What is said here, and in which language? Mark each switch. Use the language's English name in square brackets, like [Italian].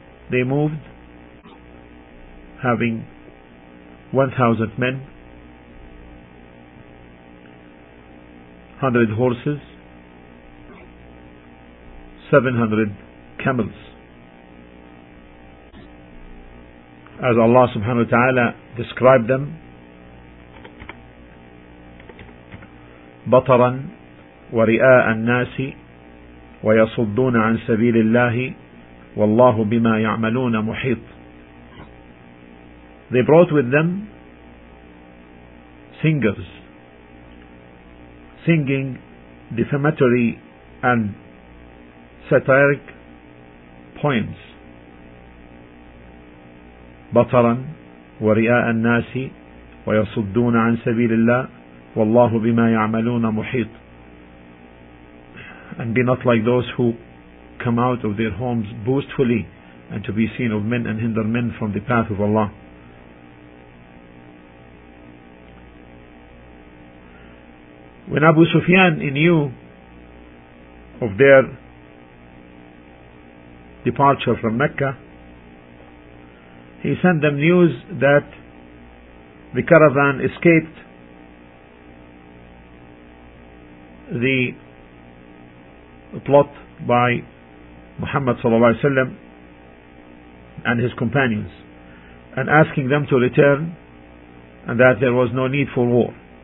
[English] They moved having 1,000 men, 100 horses, 700 camels. As Allah subhanahu wa ta'ala described them, [Arabic] بطرا ورئاء الناس ويصدون عن سبيل الله والله بما يعملون محيط. [English] They brought with them singers singing defamatory and satiric poems. [Arabic] بطرا ورئاء الناس ويصدون عن سبيل الله والله بما يعملون محيط. [English] And be not like those who come out of their homes boastfully and to be seen of men and hinder men from the path of Allah. When Abu Sufyan knew of their departure from Mecca, he sent them news that the caravan escaped the plot by Muhammad sallallahu alaihi wasallam and his companions, and asking them to return and that there was no need for war.